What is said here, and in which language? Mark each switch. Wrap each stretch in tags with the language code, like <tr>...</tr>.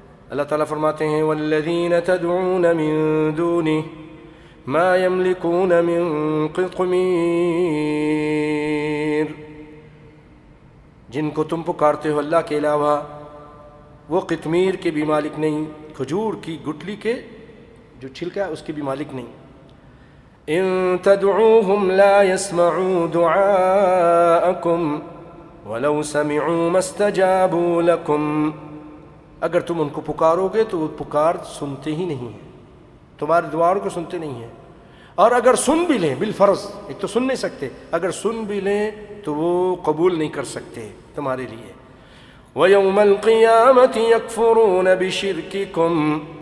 <ur>اللہ تعالیٰ فرماتے ہیں،</ur> <ar>والذین تدعون من دونہ ما يملكون من قطمیر،</ar> <ur>جن کو تم پکارتے ہو اللہ کے علاوہ، وہ قطمیر کے بھی مالک نہیں، کھجور کی گٹلی کے جو چھلکا ہے اس کے بھی مالک نہیں.</ur> <ar>ان تدعوهم لا يسمعوا دعاءكم وَلَوْ سَمِعُوا مَسْتَجَابُوا لَكُمْ،</ar> <ur>اگر تم ان کو پکارو گے تو وہ پکار سنتے ہی نہیں ہیں، تمہاری دعاؤں کو سنتے نہیں ہیں، اور اگر سن بھی لیں بالفرض، ایک تو سن نہیں سکتے، اگر سن بھی لیں تو وہ قبول نہیں کر سکتے تمہارے لیے.</ur> <ar>وَيَوْمَ الْقِيَامَةِ يَكْفُرُونَ بِشِرْكِكُمْ،</ar>